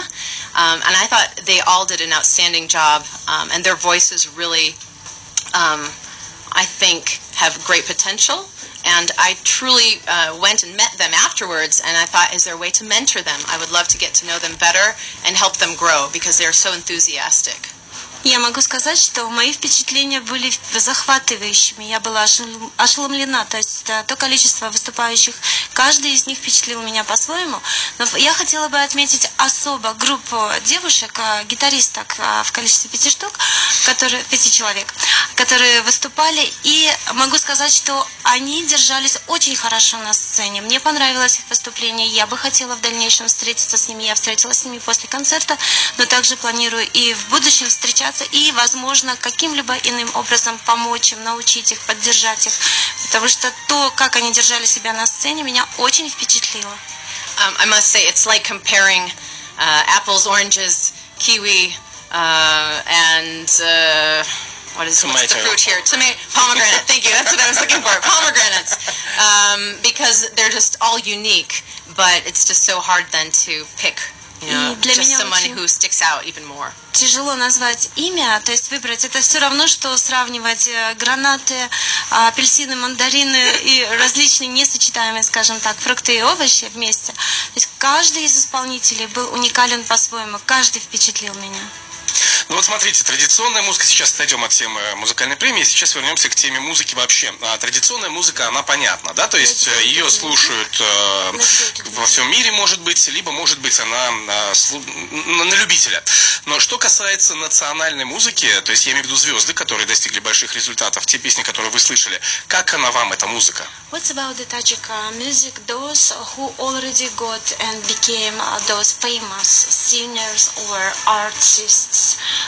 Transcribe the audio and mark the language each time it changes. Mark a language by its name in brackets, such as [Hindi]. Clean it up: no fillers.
[English] And I thought they all did an outstanding job, and their voices really, I think, have great potential. And I truly went and met them afterwards, and I thought, is there a way to mentor them? I would love to get to know them better and help them grow, because they are so enthusiastic. [Russian] Я могу сказать, что мои впечатления были захватывающими. Я была ошеломлена, то есть то количество выступающих, каждый из них впечатлил меня по-своему. Но я хотела бы отметить особо группу девушек, гитаристок в количестве пяти человек, которые выступали. И могу сказать, что они держались очень хорошо на сцене. Мне понравилось их выступление. Я бы хотела в дальнейшем встретиться с ними. Я встретилась с ними после концерта, но также планирую и в будущем встречаться и, возможно, каким-либо иным образом помочь им, научить их, поддержать их, потому что то, как они держали себя на сцене, меня очень впечатлило. [English] I must say, it's like comparing apples, oranges, kiwi, and what is what's the fruit here? Pomegranate. Thank you. That's what I was looking for. Pomegranates. Because they're just all unique, but it's just so hard then to pick. [Russian] Для меня [English] someone who sticks out even more. [Russian] Тяжело назвать имя, то есть выбрать. Это все равно, что сравнивать гранаты, апельсины, мандарины и различные несочетаемые, скажем так, фрукты и овощи вместе. То есть каждый из исполнителей был уникален по-своему, каждый впечатлил меня. Ну вот смотрите, традиционная музыка, сейчас отойдем от темы музыкальной премии, сейчас вернемся к теме музыки вообще. А традиционная музыка, она понятна, да, то есть ее слушают во всем мире, может быть, либо, может быть, она на любителя. Но что касается национальной музыки, то есть я имею в виду звезды, которые достигли больших результатов, те песни, которые вы слышали, как она вам, эта музыка? [English] What about the Tajik music, those who already got and became those famous singers or artists?